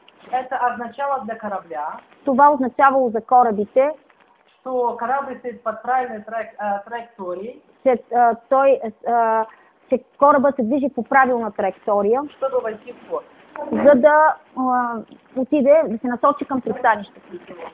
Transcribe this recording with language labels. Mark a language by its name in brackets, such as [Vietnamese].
[Russian] это означало для корабля, [Bulgarian] това означавало за корабите, [Russian] что корабль стоит под правильной траекторией, [Bulgarian] че, той, че корабът се движи по правилна траектория, [Russian] чтобы войти в порт, [Bulgarian] за да отиде, да се насочи към пристанището.